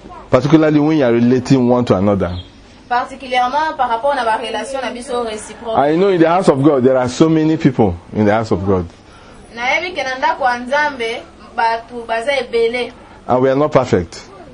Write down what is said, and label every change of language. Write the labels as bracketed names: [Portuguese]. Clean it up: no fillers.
[English] Particularly when you are relating one to another. [French] Particulièrement par rapport à la relation à [Lingala] biso [French] réciproque. [English] And you know, in the house of God, there are so many people in the house of God. And we are not perfect.